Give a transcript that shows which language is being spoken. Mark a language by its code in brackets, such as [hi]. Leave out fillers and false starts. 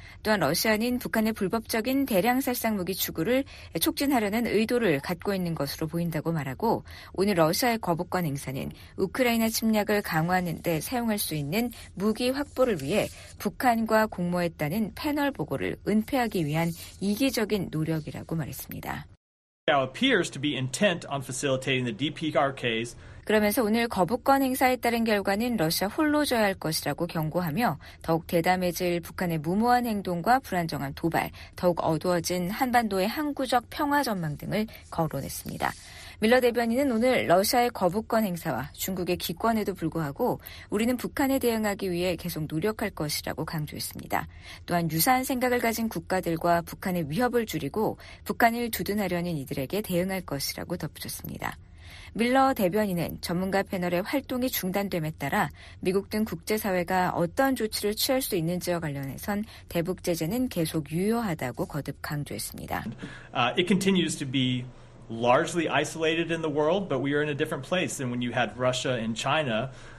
[ko] 또한 러시아는 북한의 불법적인 대량살상무기 추구를 촉진하려는 의도를 갖고 있는 것으로 보인다고 말하고 오늘 러시아의 거부권 행사는 우크라이나 침략을 강화하는 데 사용할 수 있는 무기 확보를 위해 북한과 공모했다는 패널 보고를 은폐하기 위한 이기적인 노력이라고 말했습니다. [en] Appears to be intent on facilitating the DPRK's. [ko] 그러면서 오늘 거부권 행사에 따른 결과는 러시아 홀로 져야 할 것이라고 경고하며 더욱 대담해질 북한의 무모한 행동과 불안정한 도발, 더욱 어두워진 한반도의 항구적 평화 전망 등을 거론했습니다. 밀러 대변인은 오늘 러시아의 거부권 행사와 중국의 기권에도 불구하고 우리는 북한에 대응하기 위해 계속 노력할 것이라고 강조했습니다. 또한 유사한 생각을 가진 국가들과 북한의 위협을 줄이고 북한을 두둔하려는 이들에게 대응할 것이라고 덧붙였습니다. 밀러 대변인은 전문가 패널의 활동이 중단됨에 따라 미국 등 국제사회가 어떤 조치를 취할 수 있는지와 관련해선 대북 제재는 계속 유효하다고 거듭 강조했습니다. [en] It continues to be largely isolated in the world, but we are in a different place than when you had Russia and China.